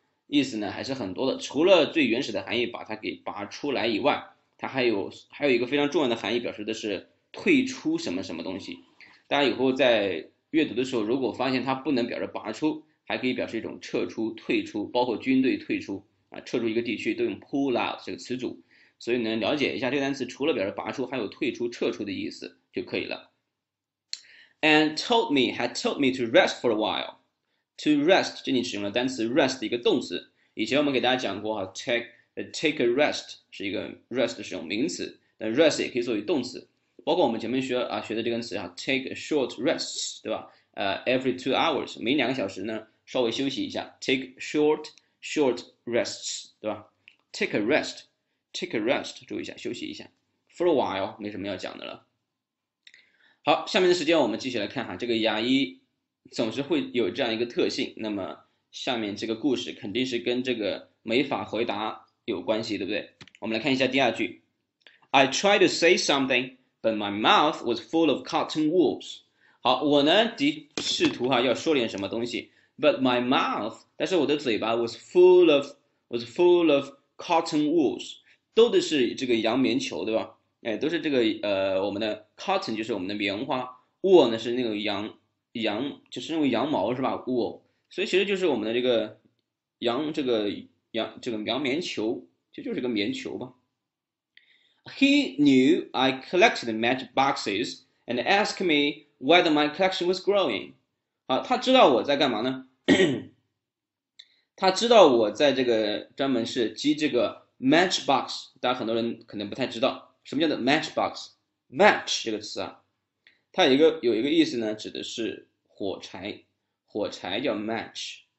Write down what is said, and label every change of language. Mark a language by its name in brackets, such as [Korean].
[Chinese] 意思呢还是很多的，除了最原始的含义把它给拔出来以外，它还有一个非常重要的含义，表示的是退出什么什么东西。大家以后在阅读的时候，如果发现它不能表示拔出，还可以表示一种撤出、退出，包括军队退出啊，撤出一个地区都用 pull out 这个词组。所以呢，了解一下这个单词，除了表示拔出，还有退出、撤出的意思就可以了。 [English] And told me had told me to rest for a while。 [Chinese] To rest，这里使用了单词 rest 的一个动词。以前我们给大家讲过哈，take a rest 是一个 rest 使用名词，但 rest 也可以作为动词。包括我们前面学的这个词啊，take a short rest，对吧？ [English] every 2 hours， [Chinese] 每2个小时呢，稍微休息一下，take short rests，对吧？take a rest，take a rest，注意一下，休息一下。 For a while，没什么要讲的了。好，下面的时间我们继续来看哈，这个牙医。总是会有这样一个特性，那么下面这个故事肯定是跟这个没法回答有关系，对不对？我们来看一下第二句。 [English] I tried to say something, but my mouth was full of cotton wools. [Chinese] 好，我呢，试图要说点什么东西。 [English] But my mouth， [Chinese] 但是我的嘴巴 [English] was full of cotton wools， [Chinese] 都得是这个羊棉球，对吧？哎，都是这个我们的 cotton 就是我们的棉花，wool 呢是那个羊，就是那种羊毛是吧？wool，所以其实就是我们的这个羊这个羊这个羊棉球，就是个棉球吧。 [English] He knew I collected matchboxes and asked me whether my collection was growing. [Chinese] 啊，他知道我在干嘛呢？他知道我在这个专门是集这个 matchbox，大家很多人可能不太知道什么叫做 matchbox。 match 这个词啊，它有一个意思呢，指的是火柴，火柴叫 match。